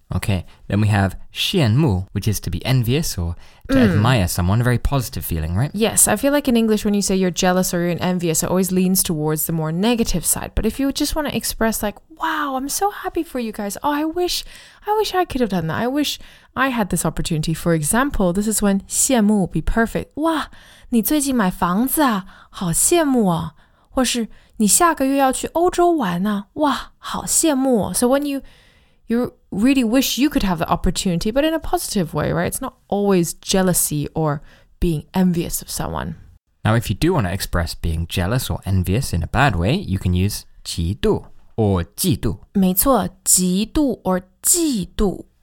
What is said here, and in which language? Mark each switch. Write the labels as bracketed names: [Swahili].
[English] Okay, then we have 羡慕, which is to be envious or to admire someone, a very positive feeling, right? Yes, I feel like in English when you say you're jealous or you're envious, it always leans towards the more negative side. But if you just want to express like, wow, I'm so happy for you guys. Oh, I wish I could have done that. I wish I had this opportunity. For example, this is when 羡慕 be perfect. [Chinese] 哇,你最近买房子啊,好羡慕啊。或是你下个月要去欧洲玩啊,哇,好羡慕。 [English] So when you really wish you could have the opportunity, but in a positive way, right? It's not always jealousy or being envious of someone. Now, if you do want to express being jealous or envious in a bad way, you can use 嫉妒 or 嫉妒。 [Chinese] 没错，嫉妒 or 嫉妒。